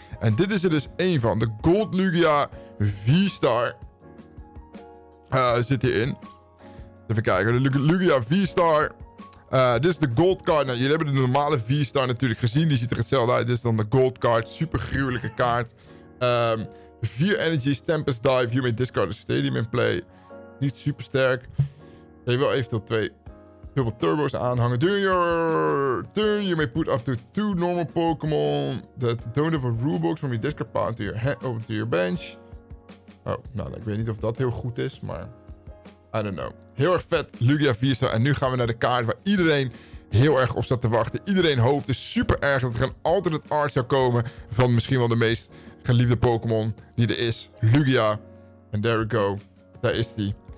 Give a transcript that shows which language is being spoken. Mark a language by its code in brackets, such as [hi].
[nl] En dit is er dus één van. De Gold Lugia V-Star. Zit hierin. Even kijken. De Lugia V-Star. Dit is de Gold Card. Nou, jullie hebben de normale V-Star natuurlijk gezien. Die ziet er hetzelfde uit. Dit is dan de Gold Card. Super gruwelijke kaart. [en] 4 energies, Tempest Dive, you may discard a stadium in play. [nl] Niet super sterk. Je wil eventueel 2 double turbos aanhangen. [en] During your turn, you may put up to 2 normal Pokémon that don't have a rulebook from your discard pile into your hand, open to your bench. [nl] Oh, nou, ik weet niet of dat heel goed is, maar... [en] I don't know. [nl] Heel erg vet, Lugia Visa. En nu gaan we naar de kaart waar iedereen heel erg op zat te wachten. Iedereen hoopte super erg dat er een alternate art zou komen van misschien wel de meest... geliefde Pokémon die er is. Lugia. En [en] there we go. [nl] Daar is die.